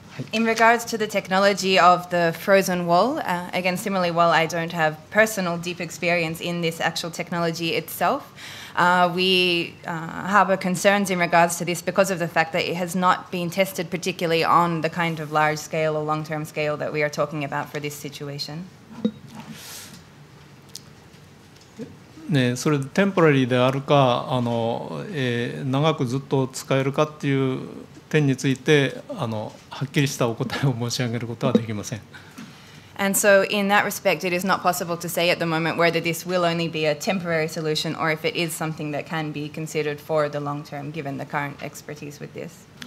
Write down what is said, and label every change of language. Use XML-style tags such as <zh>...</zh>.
<en>In regards to the technology of the frozen wall, again, similarly, while I don't have personal deep experience in this actual technology itself, we harbor concerns in regards to this because of the fact that it has not been tested particularly on the kind of large scale or long-term scale that we are talking about for this situation.</en> <ja>ね、それでテンポラリーであるか長くずっと使えるかっていう点についてはっきりしたお答えを申し上げることはできません。</ja> <en>And so in that respect, it is not possible to say at the moment whether this will only be a temporary solution or if it is something that can be considered for the long term, given the current expertise with this.</en>